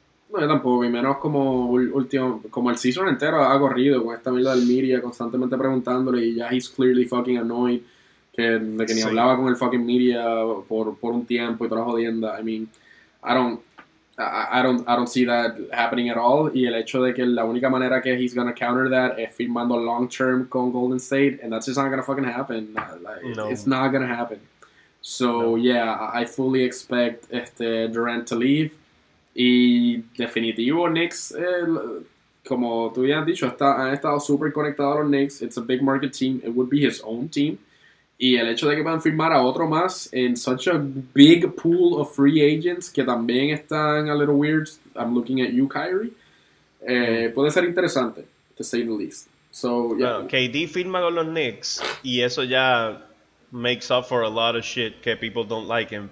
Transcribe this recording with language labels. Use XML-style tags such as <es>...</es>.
<es>No, yo tampoco, y menos como como el season entero ha corrido con esta mierda del media constantemente preguntándole, y ya</es> <en>he's clearly fucking annoyed</en> <es>de que ni hablaba con el fucking media por un tiempo y toda la jodienda.</es> <en>I mean, I don't see that happening at all.</en> <es>Y el hecho de que la única manera que</es> <en>he's gonna counter that</en> <es>es firmando long term con Golden State,</es> <en>and that's just not gonna fucking happen. It's not gonna happen. So, yeah, I fully expect Durant to leave.</en> <es>Y definitivo, Knicks, como tú ya has dicho, han estado súper conectados a los Knicks.</es> <en>It's a big market team. It would be his own team.</en> <es>Y el hecho de que puedan firmar a otro más en</es> <en>such a big pool of free agents</en> <es>que también están</es> <en>a little weird. I'm looking at you, Kyrie.</en> <es>Puede ser interesante,</es> <en>to say the least. So, yeah.</en> <es>KD firma con los Knicks y eso ya...</es> <en>makes up for a lot of shit que people don't like him.</en>